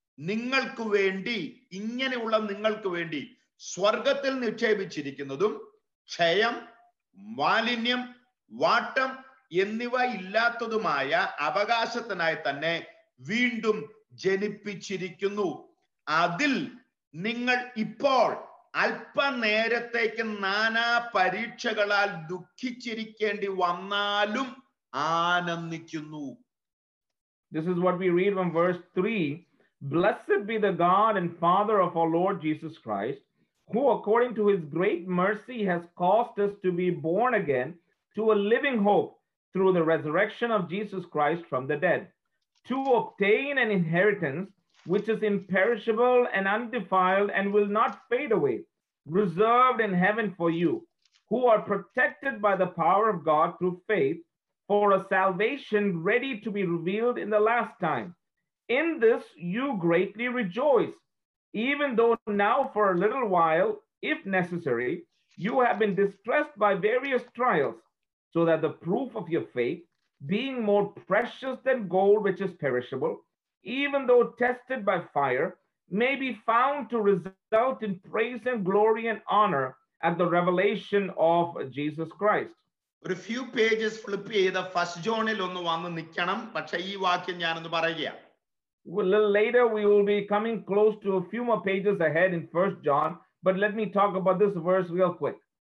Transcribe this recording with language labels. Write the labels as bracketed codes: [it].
[ml] നിങ്ങൾക്ക് വേണ്ടി, ഇങ്ങനെയുള്ള നിങ്ങൾക്ക് വേണ്ടി സ്വർഗത്തിൽ നിക്ഷേപിച്ചിരിക്കുന്നതും ക്ഷയം, മാലിന്യം, വാട്ടം എന്നിവ ഇല്ലാത്തതുമായ അവകാശത്തിനായി തന്നെ വീണ്ടും ജനിപ്പിച്ചിരിക്കുന്നു. അതിൽ നിങ്ങൾ ഇപ്പോൾ അല്പനേരത്തേക്ക് നാനാ പരീക്ഷകളാൽ ദുഃഖിച്ചിരിക്കേണ്ടി വന്നാലും ആനന്ദിക്കുന്നു. [en] This is what we read from verse 3. Blessed be the God and Father of our Lord Jesus Christ, who according to his great mercy has caused us to be born again to a living hope through the resurrection of Jesus Christ from the dead, to obtain an inheritance which is imperishable and undefiled and will not fade away, reserved in heaven for you, who are protected by the power of God through faith for a salvation ready to be revealed in the last time. In this you greatly rejoice, even though now for a little while, if necessary, you have been distressed by various trials, so that the proof of your faith, being more precious than gold which is perishable, even though tested by fire, may be found to result in praise and glory and honor at the revelation of Jesus Christ. [ml] ഒരു [en] few pages flip [ml] ചെയ്ത് first ജോണിൽ ഒന്ന് വന്ന് നിൽക്കണം. പക്ഷേ ഈ വാക്യം ഞാനൊന്ന് പറയുക. [en] Well, a little later we will be coming close to a few more pages ahead in 1 John, but let me talk about this verse real quick.